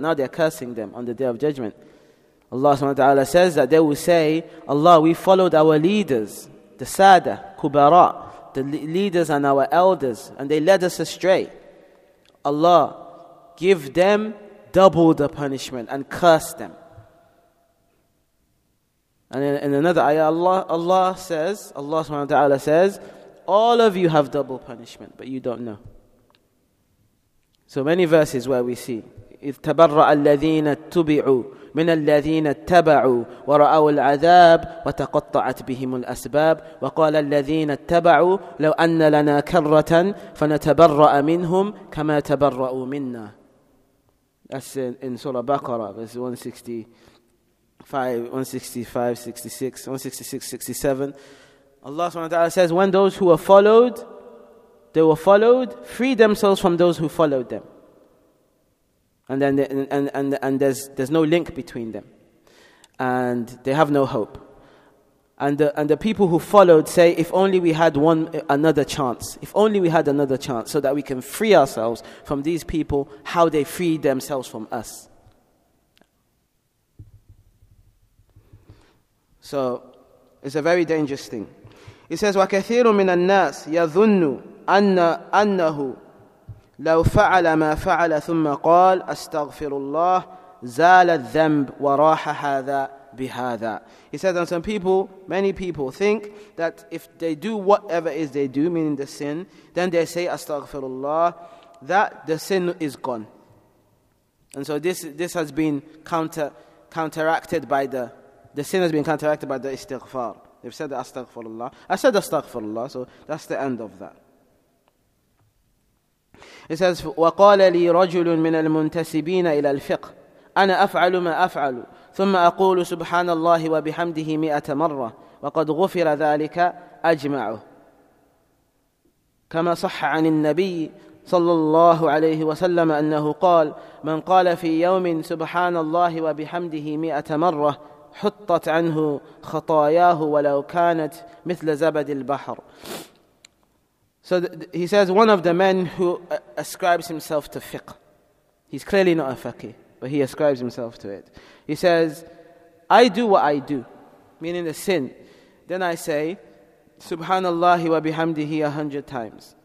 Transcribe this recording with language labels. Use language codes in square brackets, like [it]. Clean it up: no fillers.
[en] Now they're cursing them on the Day of Judgment. Allah subhanahu wa ta'ala says that they will say, Allah, we followed our leaders, the Sada, Kubara, the leaders and our elders, and they led us astray. Allah, give them double the punishment and curse them. And in another ayah, Allah subhanahu wa ta'ala says, all of you have double punishment, but you don't know. [ar] So many verses where we see, إِذْ تَبَرَّأَ الَّذِينَ تُبِعُوا مِنَ الَّذِينَ اتَّبَعُوا وَرَأَوُوا الْعَذَابَ وَتَقَطَّعَتْ بِهِمُ الْأَسْبَابُ وَقَالَ الَّذِينَ اتَّبَعُوا لَوْ أَنَّ لَنَا كَرَّةً فَنَتَبَرَّأَ مِنْهُمْ كَمَا تَبَرَّأُوا مِنَّا. [en] That's in Surah Baqarah, verse 165, 166, 167. Allah subhanahu wa ta'ala says, when those who were followed, they were followed, freed themselves from those who followed them. And then there's no link between them, and they have no hope. And the people who followed say, if only we had another chance, so that we can free ourselves from these people, how they freed themselves from us. So it's a very dangerous thing. [ar] It says, وَكَثِيرٌ مِنَ النَّاسِ يَظُنُّ أَنَّهُ لو فعل ما فعل ثم قال استغفر الله زال الذنب وراح هذا بهذا. [en] He said that many people think that if they do whatever is they do, meaning the sin, then they say astaghfirullah, that the sin is gone. And so this has been counteracted by the sin has been counteracted by the istighfar. They've said astaghfirullah. I said astaghfirullah, so that's the end of that. [ar] It says, وقال لي رجل من المنتسبين إلى الفقه أنا أفعل ما أفعل ثم أقول سبحان الله وبحمده مئة مرة وقد غفر ذلك أجمعه كما صح عن النبي صلى الله عليه وسلم أنه قال من قال في يوم سبحان الله وبحمده مئة مرة حطت عنه خطاياه ولو كانت مثل زبد البحر. [en] So he says, one of the men who ascribes himself to fiqh, he's clearly not a faqih, but he ascribes himself to it. He says, I do what I do, meaning the sin. Then I say, Subhanallah wa bihamdihi 100 times.